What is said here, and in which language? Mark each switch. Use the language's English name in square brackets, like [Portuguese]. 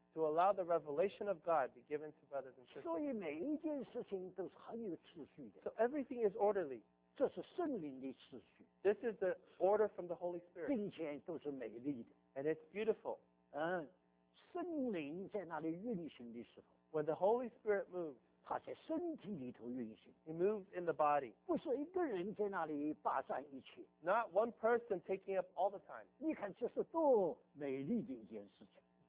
[English] to allow the revelation of God be given to brothers and sisters. [Chinese] 所以每一件事情都是很有秩序的, [English] so everything is orderly. [Chinese] 这是圣灵的秩序, [English] this is the order from the Holy Spirit. [Chinese] 并且都是美丽的, [English] and it's beautiful. [Chinese] 圣灵在那里运行的时候, [English] when the Holy Spirit moves, [Chinese] 他在身体里头运行, [English] he moves in the body. [Chinese] 不是一个人在那里霸占一切, [English] not one person taking up all the time. [Chinese] 你看这是多美丽的一件事情,